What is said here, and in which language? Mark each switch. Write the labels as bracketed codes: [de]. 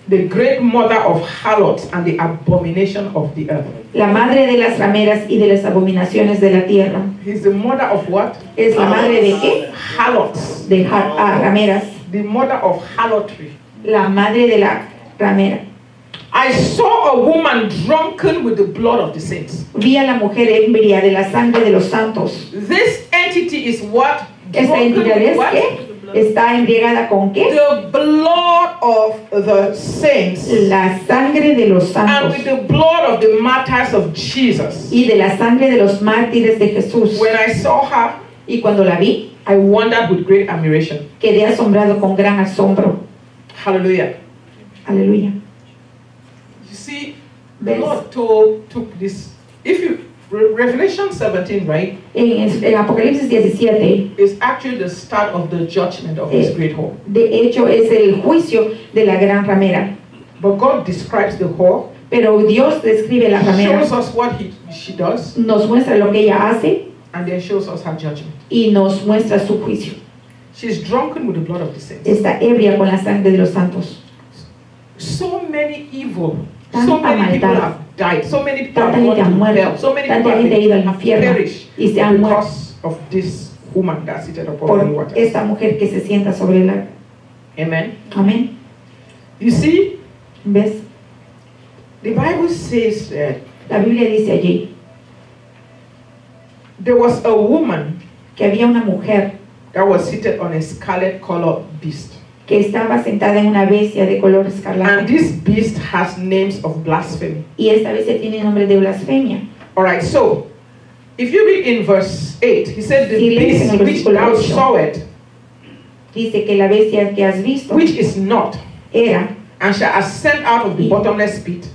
[en] The great mother of harlots and the abomination of the earth. [es] La madre de las rameras y de las abominaciones de la tierra. [en] Is the mother of what? [es] Es la madre de qué? [en] Harlots. [es] De rameras. [en] The mother of harlotry. [es] La madre de la ramera. [en] I saw a woman drunken with the blood of the saints. [es] Vi a la mujer ebria de la sangre de los santos. [en] This entity is what? [es] Esta entidad es qué? ¿Está embriagada con qué? [en] The blood of the saints. [es] La sangre de los santos. [en] And with the blood of the martyrs of Jesus. [es] Y de la sangre de los mártires de Jesús. [en] When I saw her, [es] y cuando la vi, [en] I wondered with great admiration. [es] Quedé asombrado con gran asombro. [en] Hallelujah. [es] Hallelujah. [en] You see, [es] ¿ves? [en] The Lord took this. If you Revelation 17, right? [es] En Apocalipsis 17 [en] is actually the start of the judgment of this great whore. [es] De hecho, es el juicio de la gran ramera. [en] But God describes the whore. [es] Pero Dios describe la ramera. [en] Shows us what she does. [es] Nos muestra lo que ella hace. [en] And then shows us her judgment. [es] Y nos muestra su juicio. [en] She's drunken with the blood of the saints. [es] Está ebria con la sangre de los santos. [en] So many evil. [es] Tanta [en] so many [es] maldad. [en] People have died. So many people [es] tanta [en] have [es] muerto. [en] So many people [es] tanta [en] have [es] ido al infierno y se han muerto. [en] Because of this woman that seated upon the water. [es] Esta mujer que se sienta sobre la. [en] Amen. [es] Amen. [en] You see? [es] ¿Ves? [en] The Bible says that. [es] La Biblia dice allí. [en] There was a woman. [es] Que había una mujer. [en] That was seated on a scarlet colored beast. [es] Que estaba sentada en una bestia de color escarlata. [en] And this beast has names of blasphemy. [es] Y esta bestia tiene nombre de blasfemia. [en] All right, so if you read in verse 8, he said the [es] si [en] beast which thou saw it, [es] dice que la bestia que has visto, [en] which is not, [es] era, [en] and shall ascend out of the bottomless pit,